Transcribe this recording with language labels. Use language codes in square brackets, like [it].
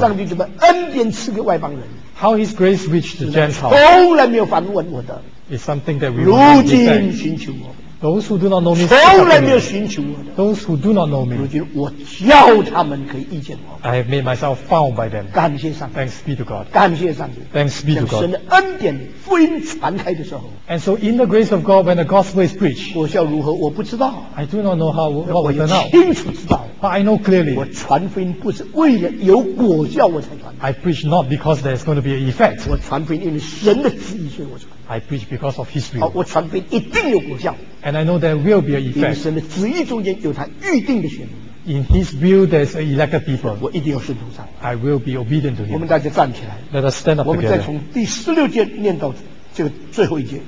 [zh] 上帝怎么恩典赐给外邦人。 [en] How His grace reached the Gentiles. [zh] 从来没有反问我的。 [en] It's something that we will not expect. [zh] 如今寻求我。 [en] Those who do not know me, [zh] 从来没有寻求我的。 [en] Those who do not know me, [zh] 如今我叫他们可以遇见我。 [en] I have made myself found by them. [zh] 感谢上帝。 [en] Thanks be to God. [zh] 感谢上帝。 [en] Thanks be to God. [zh] 神的恩典福音传开的时候。 [en] And so in the grace of God, when the gospel is preached, [zh] 果效如何我不知道。 [en] I do not know how what will turn out. [zh] 我清楚知道。 [en] But I know clearly. [zh] 我传福音不是为了有果效我才传。 [en] I preach not because there is going to be an effect. [zh] 我传福音因为神的旨意所以我传。 [en] I preach because of His will. [zh] 好，我传福音一定有果效。 [en] And I know there will be an effect. [zh] 因为神的旨意中间有他预定的选民。 [en] In His will, there's an elected people. [zh] 我一定要顺从上。 [en] I will be obedient to Him. [zh] 我们大家站起来。 [en] Let us stand up together. [zh] 我们再从第十六节念到这个最后一节。